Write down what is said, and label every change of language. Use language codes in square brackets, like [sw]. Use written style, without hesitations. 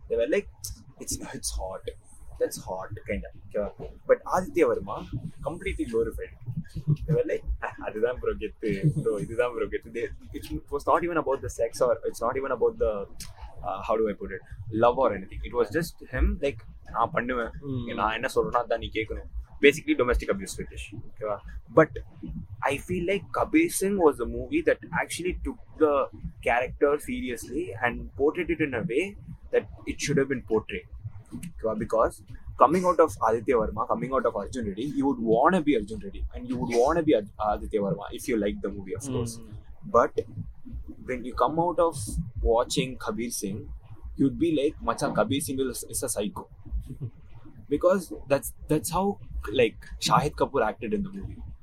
[en] They were like, it's hot, that's hot kind of, okay. But Aditya Verma completely glorified it. They were like, [ta] adhudan bro gettu, bro idhudan bro gettu. [en] It was not even about the sex, or it's not even about the how do I put it, love or anything. It was just him like, [ta] நான் பண்ணுவேன், நான் என்ன சொல்றேன்னா தான் நீ கேட்கணும். [en] Basically domestic abuse fetish, ஓகேவா. But I feel like Kabir Singh was a movie that actually took the character seriously and portrayed it in a way that it should have been portrayed. Because coming out of Aditya Varma, coming out of Arjun Reddy, you would want a be Arjun Reddy and you would want a B Aditya Verma if you like the movie, of course. But when you come out of வாட்சிங் Kabir Singh, you'd be like macha Kabir Singh is a psycho. Because that's how like Shahid Kapoor acted in the movie.